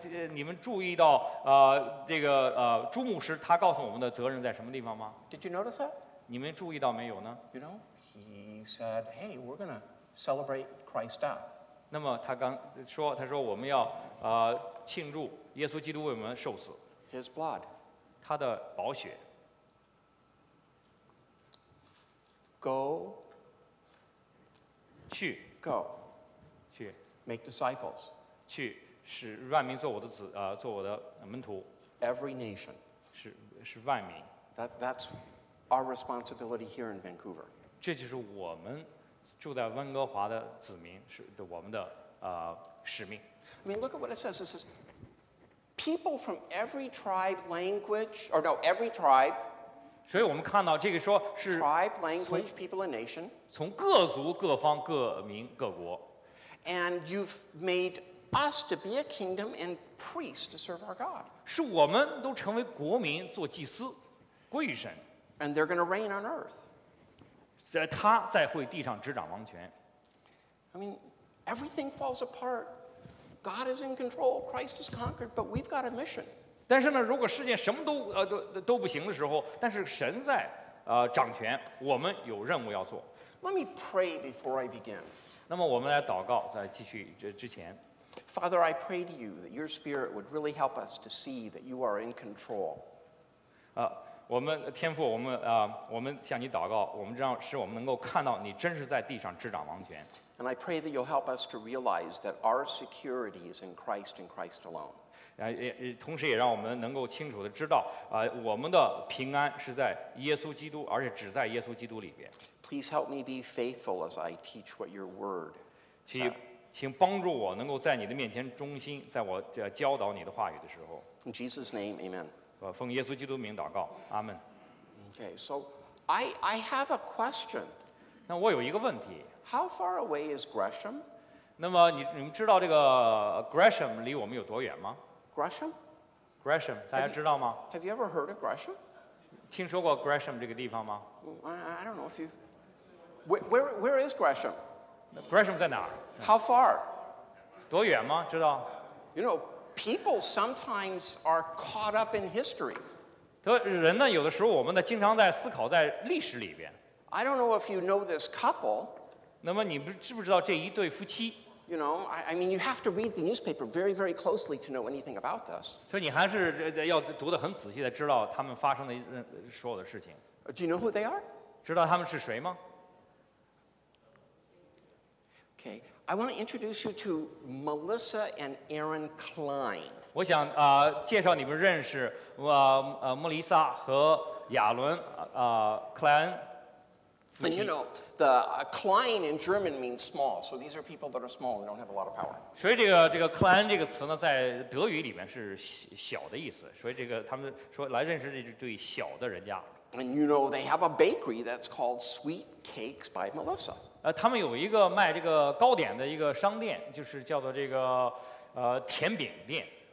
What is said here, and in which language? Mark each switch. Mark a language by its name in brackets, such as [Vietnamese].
[Chinese] 你们注意到这个朱牧师他告诉我们的责任在什么地方吗 [English] ？Did you notice that？ [Chinese] 你们注意到没有呢 [English] ？You know, he said, "Hey, we're gonna celebrate Christ's death." [Chinese] 那么他说我们要庆祝耶稣基督为我们受死。 [English] His blood. [Chinese] 他的宝血。 [English] Go. [Chinese] 去。 [English] Go. [Chinese] 去。 [English] Make disciples. [Chinese] 去使万民做我的子做我的门徒。 [English] Every nation [Chinese] 是万民。 [English] That's our responsibility here in Vancouver. [Chinese] 这就是我们住在温哥华的子民是的我们的使命。 [English] I mean, look at what it says. It says people from every tribe, language, or no, every tribe. [Chinese] 所以我们看到这个说是 [English] tribe, language, people, and nation. [Chinese] 从各族、各方、各民、各国。 [English] And you've made us to be a kingdom and priests to serve our God. [Chinese] 是我们都成为国民做祭司，归于神。 [English] And they're going to reign on earth. [Chinese] 他在会地上执掌王权。 [English] I mean, everything falls apart. God is in control. Christ is conquered. But we've got a mission. [Chinese] 但是呢，如果世界什么都不行的时候，但是神在掌权，我们有任务要做。 [English] Let me pray before I begin. [Chinese] 那么我们来祷告，在继续之前。 [English] Father, I pray to you that your Spirit would really help us to see that you are in control. [Chinese] 我们天父，我们向你祷告，我们让使我们能够看到你真是在地上执掌王权。 [English] And I pray that you'll help us to realize that our security is in Christ and Christ alone. [Chinese] 同时也让我们能够清楚的知道，我们的平安是在耶稣基督，而且只在耶稣基督里边。 [English] Please help me be faithful as I teach what your Word says. [Chinese] 请帮助我能够在你的面前忠心，在我教导你的话语的时候。 [English] In Jesus' name, amen. [Chinese] 我奉耶稣基督的名祷告，阿门。 [English] Okay, so I have a question. [Chinese] 那我有一个问题。 [English] How far away is Gresham? [Chinese] 那么你们知道这个 Gresham 离我们有多远吗 [English] ？Gresham? [Chinese] Gresham, 大家知道吗 [English] ？Have you ever heard of Gresham? [Chinese] 听说过 Gresham 这个地方吗？ [English] I don't know if you. Where is Gresham? [Chinese] Gresham 在哪儿？ [English] How far? [Chinese] 多远吗？知道？ [English] You know, people sometimes are caught up in history. [Chinese] 人呢，有的时候我们呢，经常在思考在历史里边。 [English] I don't know if you know this couple. [Chinese] 那么你知不知道这一对夫妻？ [English] You know, I mean, you have to read the newspaper very, very closely to know anything about this. [Chinese] 所以你还是要读得很仔细才知道他们发生的所有的事情。 [English] Do you know who they are? [Chinese] 知道他们是谁吗？ [English] Okay, I want to introduce you to Melissa and Aaron Klein. [Chinese] 我想介绍你们认识莫丽莎和亚伦Klein。 [English] And you know, the Klein in German means small, so these are people that are small and don't have a lot of power. [Chinese] 所以这个 Klein 这个词呢，在德语里面是小的意思。所以这个他们说来认识这对小的人家。 [English] And you know, they have a bakery that's called Sweet Cakes by Melissa. [Chinese] 他们有一个卖这个糕点的一个商店，就是叫做这个甜饼店。